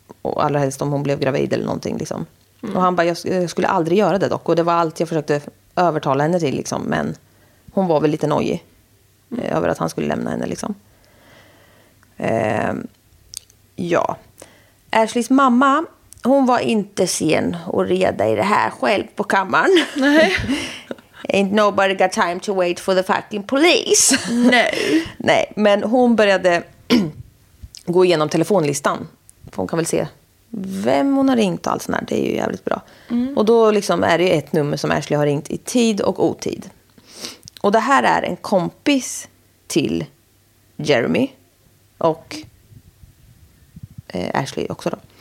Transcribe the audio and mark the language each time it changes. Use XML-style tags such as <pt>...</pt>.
<sv>och allra helst om hon blev gravid eller någonting liksom. Mm. Och han bara, jag skulle aldrig göra det dock. Och det var allt jag försökte övertala henne till liksom. Men hon var väl lite nojig över att han skulle lämna henne liksom. Ja. Ashleys mamma, hon var inte sen att reda i det här själv på kammaren. Nej.</sv> <en>Ain't nobody got time to wait for the fucking police.</en> <sv>Nej. Nej, men hon började gå igenom telefonlistan. För hon kan väl se vem hon har ringt och allt sånt där. Det är ju jävligt bra. Mm. Och då liksom är det ju ett nummer som Ashley har ringt i tid och otid. Och det här är en kompis till Jeremy och Ashley också då.</sv>